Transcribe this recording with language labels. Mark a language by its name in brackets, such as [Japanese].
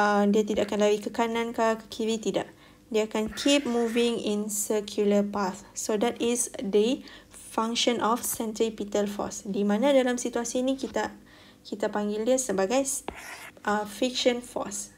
[Malay] Dia tidak akan lari ke kanan ke kiri, tidak. Dia akan [English] keep moving in circular path. So that is the function of centripetal force. [Malay] Di mana dalam situasi ini kita panggil dia sebagai friction force.